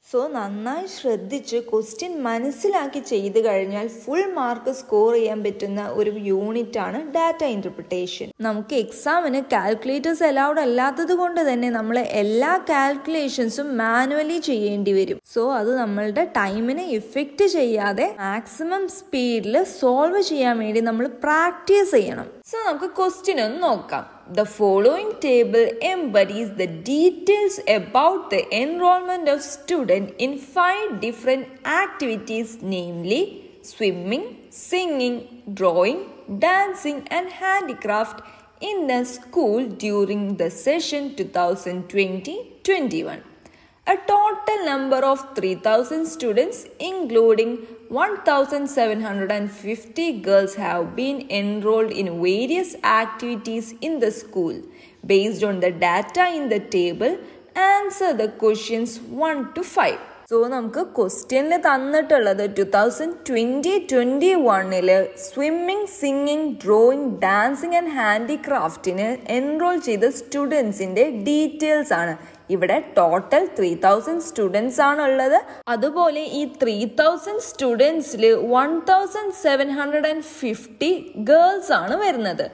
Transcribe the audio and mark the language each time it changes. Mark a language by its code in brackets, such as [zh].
[ml] So നന്നായി ശ്രദ്ധിച്ച് question മനസ്സിലാക്കി ചെയ്തു കഴിഞ്ഞാൽ ഫുൾ മാർക്ക് സ്കോർ ചെയ്യാൻ പറ്റുന്ന ഒരു യൂണിറ്റ് ആണ് ഡാറ്റ ഇന്റർപ്രിറ്റേഷൻ. നമുക്ക് എക്സാമിന് കാൽക്കുലേറ്റേഴ്സ് അലൗഡ് അല്ലാത്തത് കൊണ്ട് തന്നെ നമ്മൾ എല്ലാ കാൽക്കുലേഷൻസും മാനുവലി ചെയ്യേണ്ടി വരും. സോ അത് നമ്മളുടെ ടൈമിനെ ഇഫക്റ്റ് ചെയ്യാതെ മാക്സിമം സ്പീഡിൽ സോൾവ് ചെയ്യാൻ വേണ്ടി നമ്മൾ പ്രാക്ടീസ് ചെയ്യണം. സോ നമുക്ക് ക്വസ്റ്റ്യൻ ഒന്ന് നോക്കാം. [en] The following table embodies the details about the enrollment of student in 5 different activities, namely swimming, singing, drawing, dancing and handicraft in the school during the session 2020-21. A total number of 3,000 students, including 1,750 girls, have been enrolled in various activities in the school. Based on the data in the table, answer the questions 1 to 5. [ml] So നമുക്ക് ക്വസ്റ്റ്യനിൽ തന്നിട്ടുള്ളത് 2020-21 swimming, singing, drawing, dancing and ഹാൻഡിക്രാഫ്റ്റിന് enrol ചെയ്ത സ്റ്റുഡൻസിന്റെ details ആണ്. ഇവിടെ total 3,000 students ആണുള്ളത്. അതുപോലെ ഈ 3,000 സ്റ്റുഡൻസിൽ 1,750 girls ആണ് വരുന്നത്.